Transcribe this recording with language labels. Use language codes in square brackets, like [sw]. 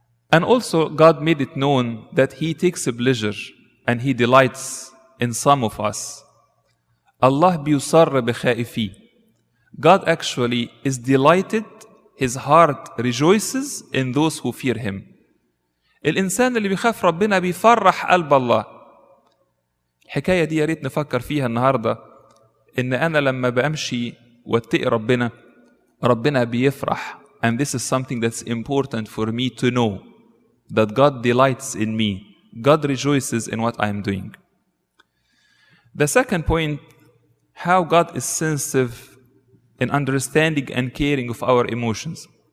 [en] And also God made it known that he takes pleasure and he delights in some of us. [ar] الله بيصر بخائفي. [en] God actually is delighted, his heart rejoices in those who fear him. [ar] الإنسان اللي بيخاف ربنا بيفرح قلب الله. الحكاية دي ياريت نفكر فيها النهاردة, إن أنا لما بأمشي واتقي ربنا, ربنا بيفرح. [en] And this is something that's important for me to know, that God delights in me. God rejoices in what I'm doing. The second point, how God is sensitive in understanding and caring of our emotions.